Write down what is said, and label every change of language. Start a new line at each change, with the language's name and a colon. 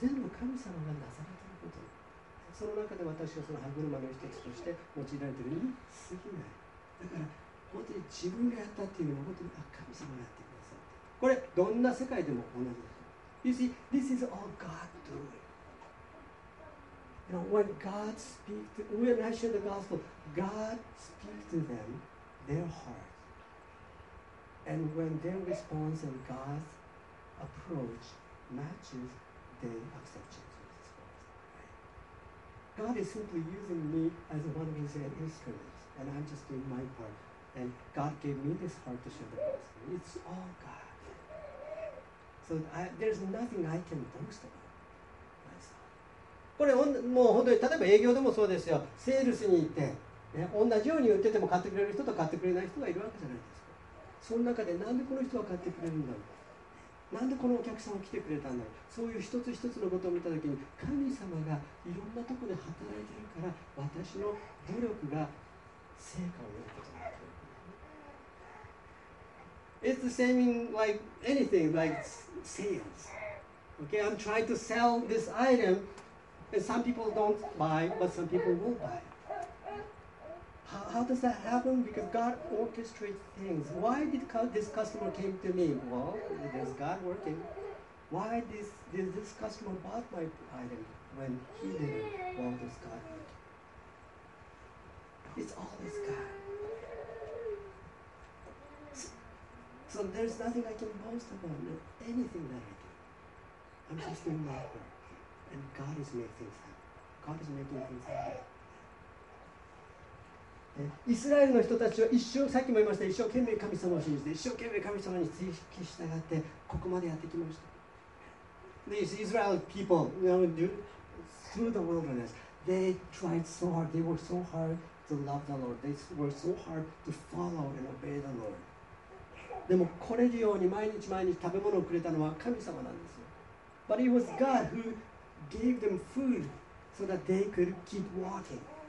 Japanese: 全部神様がなされていること。その中で私はその歯車の一つとして用いられているに過ぎない。だから本当に自分がやったっていうのは本当に、あ、神様がやってくださった。これどんな世界でも同じです。
English: You see, this is all God doing. You know, when God speaks to, when I share the gospel, God speaks to them, their heart. And when their response and God's approach matches, they accept Jesus. God is simply using me as one of his instruments, and I'm just doing my part. And God gave me this heart to share the gospel. It's all God. So there's nothing I can boast about.
Japanese: これもう本当に例えば営業でもそうですよ。セールスに行って、ね、同じように売ってても買ってくれる人と買ってくれない人がいるわけじゃないですか。その中でなんでこの人は買ってくれるんだろう、なんでこのお客さんは来てくれたんだろう、そういう一つ一つのことを見たときに、神様がいろんなところで働いているから、私の努力が成果を得ることになっている。
English: It's the same like anything like sales. Okay, I'm trying to sell this itemAnd some people don't buy, but some people will buy. How does that happen? Because God orchestrates things. Why did this customer came to me? Well, there's God working. Why did this customer bought my item when he didn't? Well, there's God working. It's always God. So there's nothing I can boast about, not anything that I do. I'm just doing my work. And God is making things happen. God is making things happen.
Japanese: イスラエルの人たちは一生、さっきも言いました、一生懸命神様を信じて、一生懸命神様に従ってここまでやってきました。
English: These Israel people, you know, through the wilderness, they tried so hard, they worked so hard to love the Lord. They worked so hard to follow and obey the Lord.
Japanese: でも来れるように毎日毎日食べ物をくれたのは神様なんですよ。
English: But it was God whogave them food so that they could keep walking.